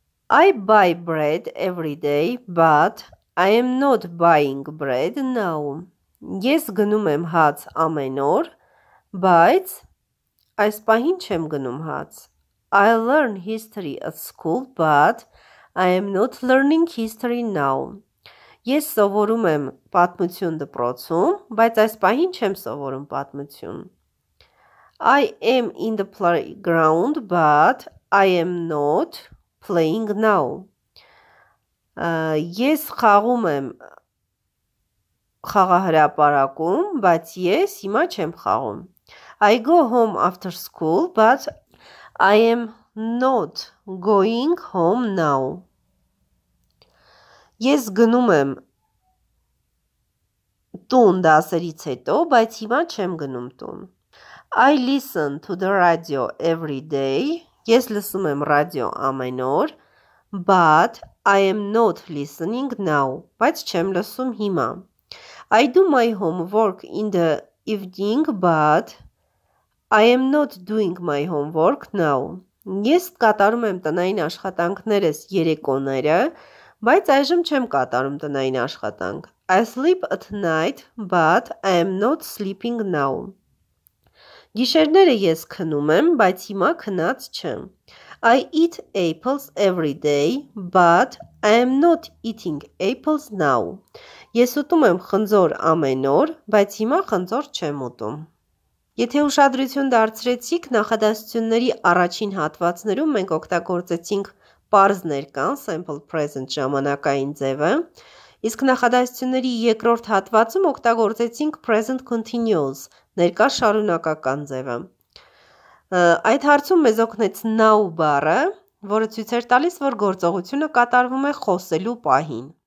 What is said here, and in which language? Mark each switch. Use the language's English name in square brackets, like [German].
[English] I buy bread every day, but I am not buying bread now. [Armenian] Ես գնում եմ հաց ամեն օր, բայց այս պահին չեմ գնում հաց. [English] I learn history at school, but I am not learning history now. [Armenian] Ես սովորում եմ պատմություն դպրոցում, բայց այս պահին չեմ սովորում պատմություն. [English] I am in the playground, but I am not playing now. [Armenian] Ես խաղում եմ խաղահրապարակում, բայց ես հիմա չեմ խաղում. [English] I go home after school, but I am not going home now. [Armenian] Ես գնում եմ տուն դասերից հետո, բայց հիմա չեմ գնում տուն. [English] I listen to the radio every day. [Armenian] Ես լսում եմ ռադիո ամեն օր, [English] but I am not listening now. [Armenian] Բայց չեմ լսում հիմա. [English] I do my homework in the evening, but I am not doing my homework now. [Armenian] Ես կատարում եմ տնային աշխատանքներս երեկոները, բայց այժմ չեմ կատարում տնային աշխատանք. [English] I sleep at night, but I am not sleeping now. [Armenian] Գիշերները ես քնում եմ, բայց հիմա քնած չեմ. [English] I eat apples every day, but I am not eating apples now. [Armenian] Ես ուտում եմ խնձոր ամեն օր, բայց հիմա խնձոր չեմ ուտում. Եթե ուշադրություն դարձրեցիք, նախադասությունների առաջին հատվածներում մենք օգտագործեցինք պարզ ներկան, sample present ժամանակային ձևը, իսկ նախադասությունների երկրորդ հատվածում օգտագործեցինք present continuous, ներկա շարունակական ձևը։ Այդ հարցում մեզ օգնեց now բառը, որը ցույց էր տալիս, որ գործողությունը կատարվում է խոսելու պահին։